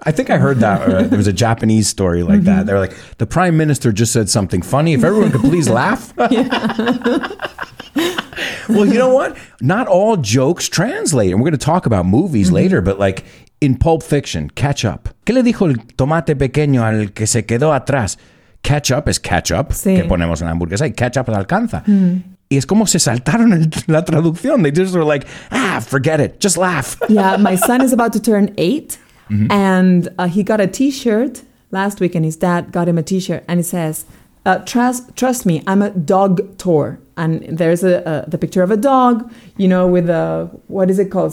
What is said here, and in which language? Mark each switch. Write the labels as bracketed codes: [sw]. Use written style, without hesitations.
[en] I think I heard that. There was a Japanese story like mm-hmm. that. They're like, the prime minister just said something funny. If everyone could please laugh. Well, you know what? Not all jokes translate. And we're going to talk about movies mm-hmm. later, but like in Pulp Fiction, catch up. [es] ¿Qué le dijo el tomate pequeño al que se quedó atrás? [en] Catch up is catch up. [es] Sí. Que ponemos en la hamburguesa y catch up alcanza. Mm-hmm. Y es como se saltaron la traducción. [en] They just were like, forget it. Just laugh. Yeah, my son is about to turn 8 mm-hmm. and he got a t-shirt last week and his dad got him a t-shirt and it says, trust me, I'm a dog tour. And there's the picture of a dog, you know, with a, what is it called?